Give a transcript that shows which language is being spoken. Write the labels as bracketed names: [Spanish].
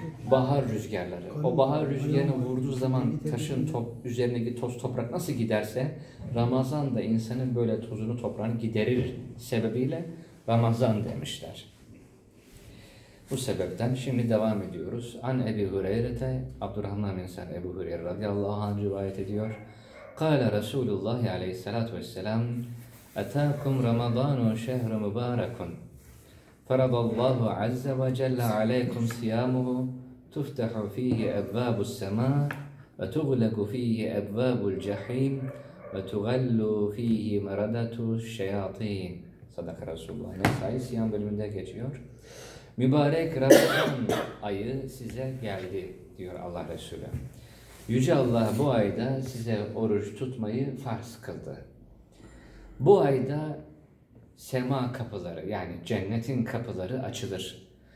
[Turkish] Bahar rüzgarları. O bahar rüzgarını vurduğu zaman taşın üzerindeki toz toprak nasıl giderse Ramazan da insanın böyle tozunu toprağını giderir sebebiyle Ramazan demişler. Bu sebepten şimdi devam ediyoruz. An Ebi Hureyre'te Abdurrahman bin Sa'd Ebu Hureyre radıyallahu anh rivayet ediyor. [Arabic] Kale Resulullah aleyhissalatu vesselam اتاكم رمضان شهر مبارك فرض الله عز وجل عليكم صيامه تفتح فيه ابواب السماء وتغلق فيه ابواب الجحيم وتغل فيه مردة الشياطين صدق رسول الله نسائي صيام [Turkish] bölümünde geçiyor. Mübarek Ramazan ayı size geldi diyor Allah Resulü. Yüce Allah bu ayda size oruç tutmayı farz kıldı. Bu ayda sema kapıları yani cennetin kapıları açılır.